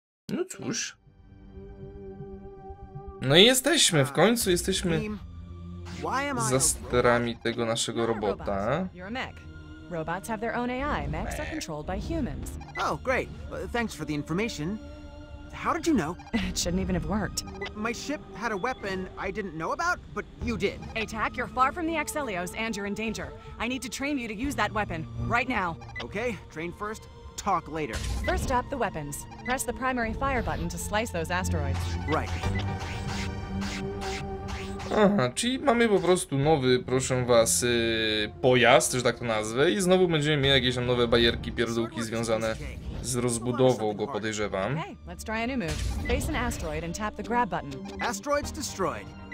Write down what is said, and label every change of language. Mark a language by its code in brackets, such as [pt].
[pl] No cóż. No i jesteśmy, w końcu jesteśmy za sterami tego naszego robota. [en] Robots have their own AI. Mechs are controlled by humans. Oh, great. Thanks for the information. How did you know? It shouldn't even have worked. My ship had a weapon I didn't know about, but you did. ATAC, you're far from the Axelios and you're in danger. I need to train you to use that weapon right now. Okay, train first. Talk later. First up, the weapons. Press the primary fire button to slice those asteroids. Right. [pl] Aha, czyli mamy po prostu nowy, proszę was, pojazd, że tak to nazwę, i znowu będziemy mieli jakieś tam nowe bajerki, pierdółki związane z rozbudową, go podejrzewam. [en] Okay, let's try a new move. Face an asteroid and tap the grab button. Asteroids destroyed.